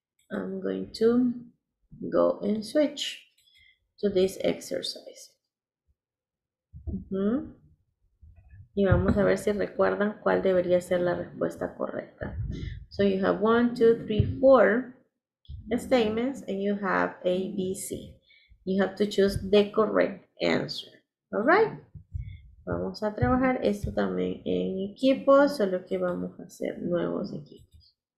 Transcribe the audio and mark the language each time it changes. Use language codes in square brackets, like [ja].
[en] I'm going to go and switch to this exercise. [es] Y vamos a ver si recuerdan cuál debería ser la respuesta correcta. [en] So you have 1, 2, 3, 4 statements and you have A, B, C. You have to choose the correct answer. All right. [es] Vamos a trabajar esto también en equipos, solo que vamos a hacer nuevos equipos.